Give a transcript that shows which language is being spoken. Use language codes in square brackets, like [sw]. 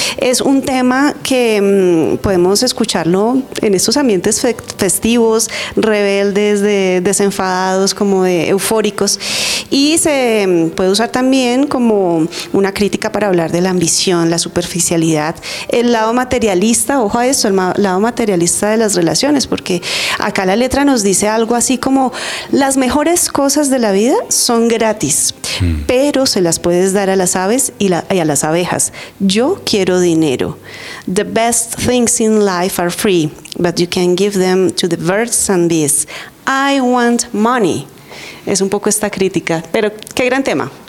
[es] Es un tema que podemos escucharlo en estos ambientes festivos, rebeldes, desenfadados, como de eufóricos, y se puede usar también como una crítica para hablar de la ambición, la superficialidad, el lado materialista, ojo a eso, el lado materialista de las relaciones, porque acá la letra nos dice algo así como: las mejores cosas de la vida son gratis, pero se las puedes dar a las aves y a las abejas. Yo quiero dinero. [en] The best things in life are free, but you can give them to the birds and bees. I want money. [es] Es un poco esta crítica, pero qué gran tema.